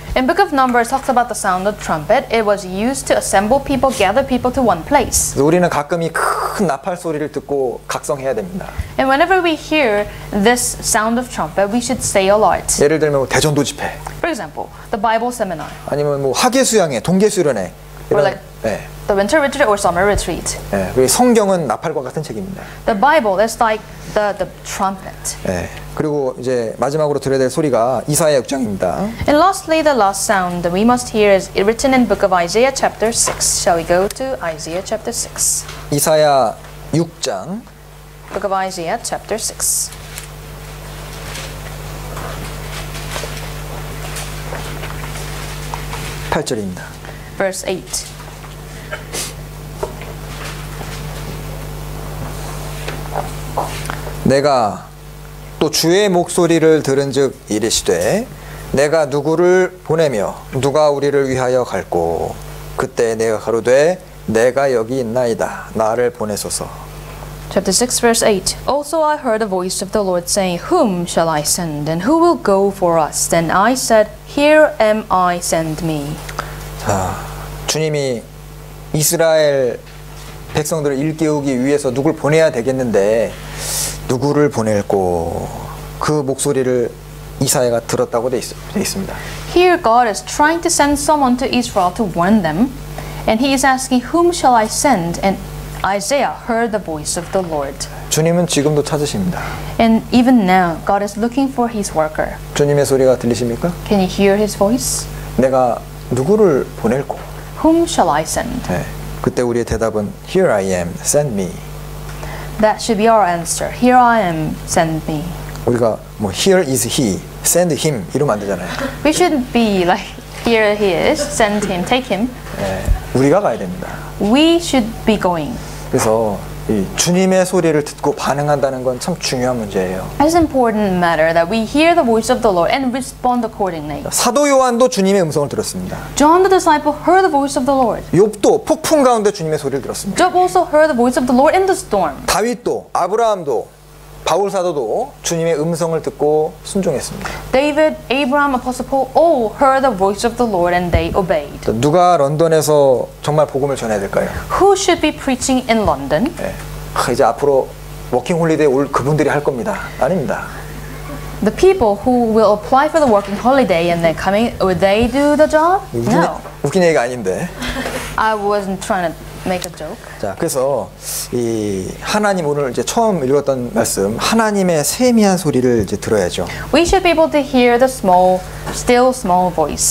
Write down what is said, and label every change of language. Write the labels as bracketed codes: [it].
[en] In Book of Numbers talks about the sound of trumpet. It was used to assemble people, gather people to one place. [ko] 우리는 가끔 이 큰 나팔 소리를 듣고 각성해야 됩니다. [en] And whenever we hear this sound of trumpet, we should stay alert. [ko] 예를 들면 대전도 집회. [en] For example, the Bible seminar. [ko] 아니면 뭐 학예 수양회, 동계 수련회. [en] Or like 네. the winter retreat or summer retreat. [ko] 네, 성경은 나팔과 같은 책입니다. [en] The Bible is like the trumpet. [ko] 네, 그리고 이제 마지막으로 들어야 될 소리가 이사야 6장입니다. [en] And lastly, the last sound that we must hear is written in Book of Isaiah chapter 6. Shall we go to Isaiah chapter 6? [ko] 이사야 6장. [en] Book of Isaiah chapter 6. [ko] 8절입니다. [en] Verse 8. [ko] 내가 또 주의 목소리를 들은즉 이르시되 내가 누구를 보내며 누가 우리를 위하여 갈고 그때 내가 가로되 내가 여기 있나이다 나를 보내소서. [en] Chapter 6 verse 8. Also I heard a voice of the Lord saying, Whom shall I send and who will go for us? Then I said, Here am I, send me. [ko] 주님이 이스라엘 백성들을 일깨우기 위해서 누굴 보내야 되겠는데 누구를 보낼고 그 목소리를 이사야가 들었다고 돼 있습니다. [en] Here God is trying to send someone to Israel to warn them and he is asking whom shall I send and Isaiah heard the voice of the Lord. [ko] 주님은 지금도 찾으십니다. [en] And even now God is looking for his worker. [ko] 주님의 소리가 들리십니까? [en] Can you hear his voice? [ko] 내가 누구를 보낼고 [en] Whom shall I send? [ko] 네, 그때 우리의 대답은 [en] Here I am, send me. That should be our answer. Here I am, send me. [ko] 우리가 뭐 [en] Here is he, send him [ko] 이러면 안 되잖아요. [en] We shouldn't be like Here he is, send him, take him. [ko] 네, 우리가 가야 됩니다. [en] We should be going. [ko] 그래서 이 주님의 소리를 듣고 반응한다는 건 참 중요한 문제예요. [en] It's an important matter that we hear the voice of the Lord and respond accordingly. [ko] 사도 요한도 주님의 음성을 들었습니다. [en] John the disciple heard the voice of the Lord. [ko] 욥도 폭풍 가운데 주님의 소리를 들었습니다. [en] Job also heard the voice of the Lord in the storm. [ko] 다윗도 아브라함도 바울 사도도 주님의 음성을 듣고 순종했습니다. [en] David, Abraham, Apostle Paul all heard the voice of the Lord and they obeyed. [ko] 누가 런던에서 정말 복음을 전해야 될까요? [en] Who should be preaching in London? [ko] 네. 이제 앞으로 워킹 홀리데이 올 그분들이 할 겁니다. 아닙니다. [en] The people who will apply for the working holiday and they're coming, will they do the job? No. [ko] 웃긴 얘기가 아닌데. [en] I wasn't trying to make a joke. [ko] 자, 그래서 이 하나님 오늘 이제 처음 읽었던 말씀 하나님의 세미한 소리를 이제 들어야죠. [en] We should be able to hear the small still small voice.